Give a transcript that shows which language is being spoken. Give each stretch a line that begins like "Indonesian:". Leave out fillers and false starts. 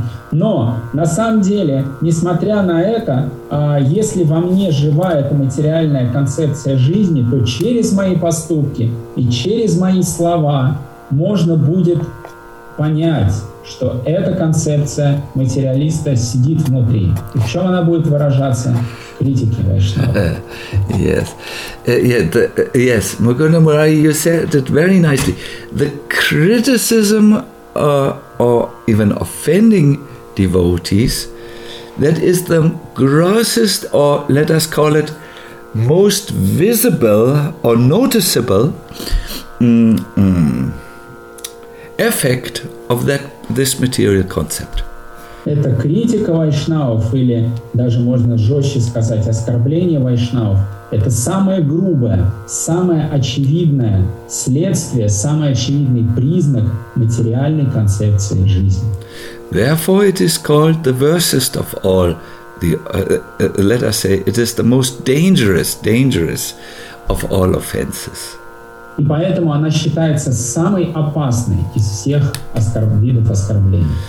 Russian: Но на самом деле, несмотря на это, если во мне жива эта материальная концепция жизни, то через мои поступки и через мои слова можно будет понять, что эта концепция материалиста сидит внутри. И в чем она будет выражаться? Критики Вайшнава.
English: Yes. Yes, Mukunda Murari, you said it very nicely. The criticism or even offending devotees, that is the grossest, or let us call it most visible or noticeable effect of that this material concept.
Russian: Это критика вайшнавов, или даже можно жестче сказать, оскорбление вайшнавов. Это самое грубое, самое очевидное следствие, самый очевидный признак материальной концепции жизни.
English: Therefore, it is called the worstest of all. Let us say, it is the most dangerous of all offenses.
Russian: И поэтому она считается самой опасной из всех видов оскорблений.